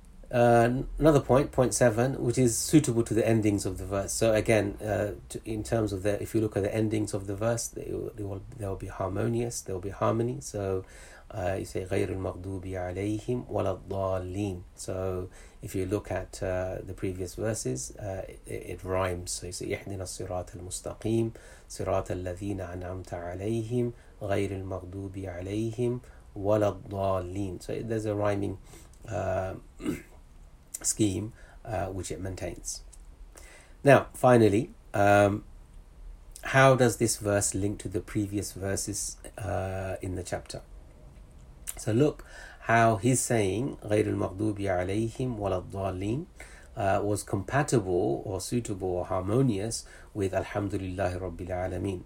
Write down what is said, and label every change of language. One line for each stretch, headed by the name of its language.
English: Another point seven, which is suitable to the endings of the verse. So again, in terms of the, if you look at the endings of the verse, they will be harmonious. There will be harmony. So you say
Arabic: غير المغضوب عليهم ولا الضالين.
English: So if you look at the previous verses, it rhymes. So you say
Arabic: يهدنا الصراط المستقيم صراط الذين أنعمت عليهم غير المغضوب عليهم ولا الضالين.
English: So there's a rhyming scheme which it maintains. Now finally, how does this verse link to the previous verses in the chapter? So look how he's saying
Arabic: غير المغضوب عليهم ولا الضالين
English: was compatible or suitable or harmonious with Alhamdulillah Rabbil Alameen.